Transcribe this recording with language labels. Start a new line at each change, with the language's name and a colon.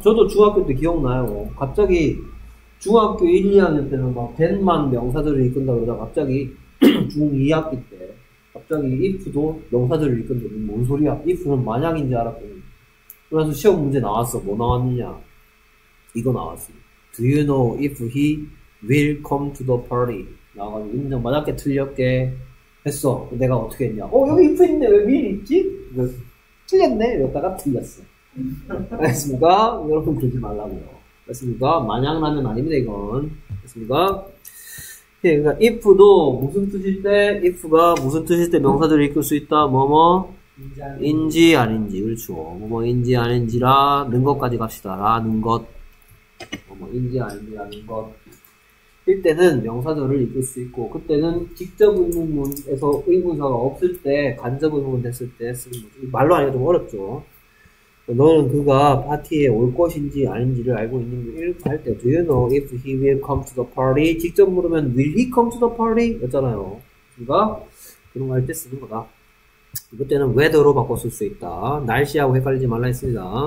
Korean: 저도 중학교 때 기억나요. 갑자기 중학교 1, 2학년 때는 막 된만 명사들을 이끈다 그러다 갑자기 중 2학기 때 갑자기 if도 명사들을 이끈다 그러면 뭔 소리야? if는 만약인 줄 알았거든. 그래서 시험 문제 나왔어. 뭐 나왔느냐? 이거 나왔어.
English: Do you know if he will come to the party?
Korean: 나와가지고 이 문장 맞았게 틀렸게 했어. 내가 어떻게 했냐? 어 여기 if 있네. 왜 will 있지? 틀렸네. 여기다가 틀렸어. 알겠습니까? 여러분 그러지 말라고요. 알겠습니까? 만약라면 아닙니다. 이건. 알겠습니까? 예, 그러니까 if도 무슨 뜻일 때 if가 무슨 뜻일 때 명사들을 이끌 수 있다. 뭐뭐? 인지 아닌지. 그렇죠. 뭐뭐 인지 아닌지라 는 것까지 갑시다. 라는 것. 뭐 인지 아닌지라는 것 이때는 명사들을 읽을 수 있고 그때는 직접 의문문에서 의문사가 없을 때 간접 의문문 됐을 때 쓰는 거죠. 말로 하니까 좀 어렵죠. 너는 그가 파티에 올 것인지 아닌지를 알고 있는지 이렇게 할 때
English: Do you know if he will come to the party? 직접 물으면 Will he come to the party?
Korean: 였잖아요. 그러니까 그런 거 할 때 쓰는 거다. 이때는 weather로 바꿔 쓸 수 있다. 날씨하고 헷갈리지 말라 했습니다.